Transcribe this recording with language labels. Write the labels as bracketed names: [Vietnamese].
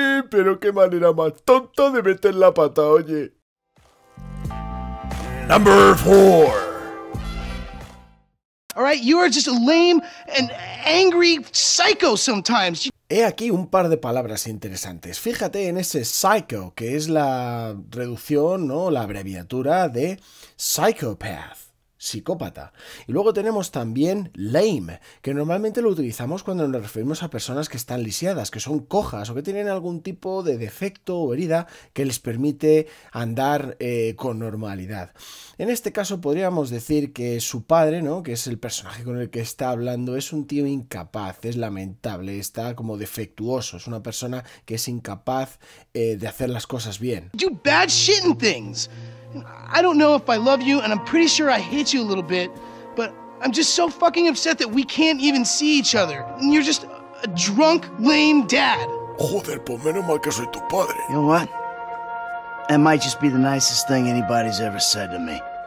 [Spanish] Pero qué manera más tonta de meter la pata, oye. [English] Number 4. All right, you are just a lame and angry psycho sometimes. [Spanish] He aquí un par de palabras interesantes. Fíjate en ese psycho, que es la reducción, ¿no?, la abreviatura de psychopath, psicópata. Y luego tenemos también lame, que normalmente lo utilizamos cuando nos referimos a personas que están lisiadas, que son cojas o que tienen algún tipo de defecto o herida que les permite andar con normalidad. En este caso podríamos decir que su padre, ¿no?, que es el personaje con el que está hablando, es un tío incapaz, es lamentable, está como defectuoso, es una persona que es incapaz de hacer las cosas bien. [English] Do bad shit and things. I don't know if I love you, and I'm pretty sure I hate you a little bit, but I'm just so fucking upset that we can't even see each other. And you're just a drunk, lame dad. [Spanish] Joder, pues menos mal que soy tu padre. [English] You know what? That might just be the nicest thing anybody's ever said to me.